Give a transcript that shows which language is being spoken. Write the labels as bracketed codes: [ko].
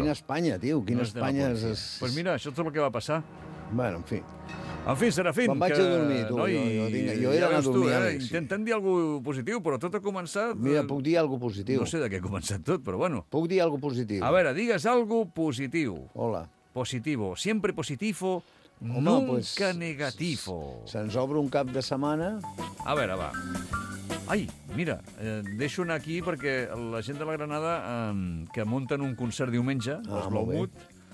[ca] Quina Espanya, tio, quina, no, Espanya és... Doncs pues mira, això és el que va passar. Bueno, en fi. En fi, Serafín, me'n vaig a dormir, tu. No, jo he d'anar a dormir. Intentem dir alguna cosa positiu, però tot ha començat... Mira, puc dir alguna cosa positiu. No sé de què ha començat tot, però bueno. Puc dir alguna cosa positiu. A veure, digues alguna cosa positiu. Hola. [es] Positivo. Siempre positivo, home, nunca pues, negativo. [ca] Se'ns obre un cap de setmana. A veure, va. Ai, mira, deixo anar aquí perquè la gent de la Granada, que munten un concert diumenge, els Blaumut.